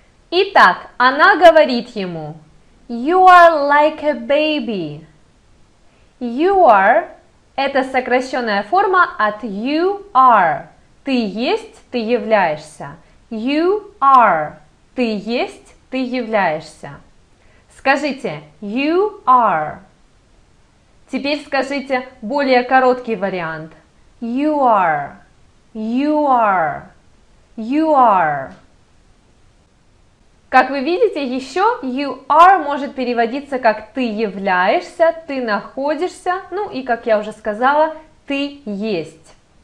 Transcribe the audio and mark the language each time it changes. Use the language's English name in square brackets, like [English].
[Russian] Итак, она говорит ему: [English] You are like a baby. You are [Russian] – это сокращенная форма от you are. Ты есть, ты являешься. [English] You are [Russian] – ты есть, ты являешься. Скажите [English] you are. [Russian] Теперь скажите более короткий вариант. [English] You are. You are. You are. [Russian] Как вы видите, еще [English] you are [Russian] может переводиться как ты являешься, ты находишься, ну и, как я уже сказала, ты есть.